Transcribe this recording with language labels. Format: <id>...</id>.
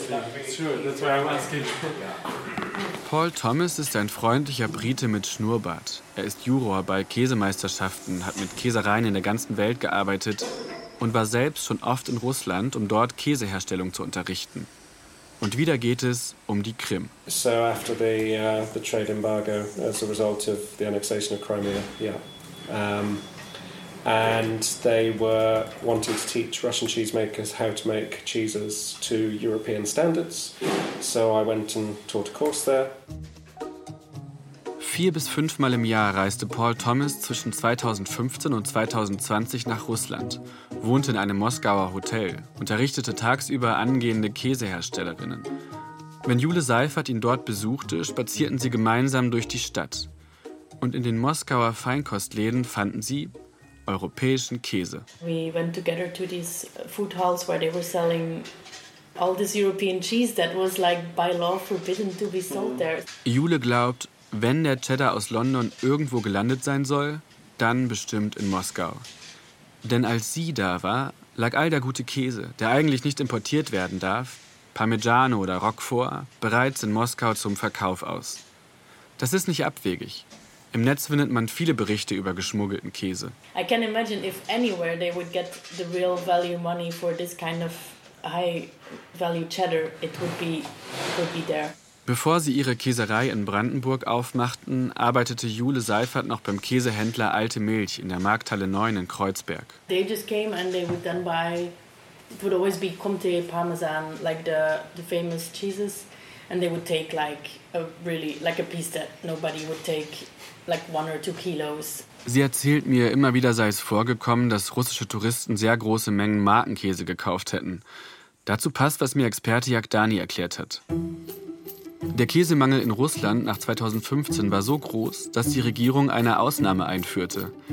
<en>That's why I'm asking. Yeah.</en> <de>Paul Thomas ist ein freundlicher Brite mit Schnurrbart. Er ist Juror bei Käsemeisterschaften, hat mit Käsereien in der ganzen Welt gearbeitet und war selbst schon oft in Russland, um dort Käseherstellung zu unterrichten. Und wieder geht es um die Krim.</de> <en>So after the trade embargo as a result of the annexation of Crimea, yeah. And they were wanting to teach Russian cheesemakers how to make cheeses to European standards. So I went and taught a course there.</en> <de>4 bis 5 Mal im Jahr reiste Paul Thomas zwischen 2015 und 2020 nach Russland, wohnte in einem Moskauer Hotel, unterrichtete tagsüber angehende Käseherstellerinnen. Wenn Jule Seifert ihn dort besuchte, spazierten sie gemeinsam durch die Stadt. Und in den Moskauer Feinkostläden fanden sie europäischen Käse.</de> <en>We went together to these food halls where they were selling all this European cheese that was like by law forbidden to be sold there.</en> <de>Jule glaubt, wenn der Cheddar aus London irgendwo gelandet sein soll, dann bestimmt in Moskau. Denn als sie da war, lag all der gute Käse, der eigentlich nicht importiert werden darf, Parmigiano oder Roquefort, bereits in Moskau zum Verkauf aus. Das ist nicht abwegig. Im Netz findet man viele Berichte über geschmuggelten Käse.</de> <en>I can imagine if anywhere they would get the real value money for this kind of high value cheddar, it would be there.</en> <de>Bevor sie ihre Käserei in Brandenburg aufmachten, arbeitete Jule Seifert noch beim Käsehändler Alte Milch in der Markthalle 9 in Kreuzberg.</de> <en>They just came and they would then buy, it would always be Comté Parmesan, like the famous cheeses, and they would take like a really, like a piece that nobody would take, like 1 or 2 kilos.</en> <de>Sie erzählt mir, immer wieder sei es vorgekommen, dass russische Touristen sehr große Mengen Markenkäse gekauft hätten. Dazu passt, was mir Experte Jagdani erklärt hat. Der Käsemangel in Russland nach 2015 war so groß, dass die Regierung eine Ausnahme einführte.</de>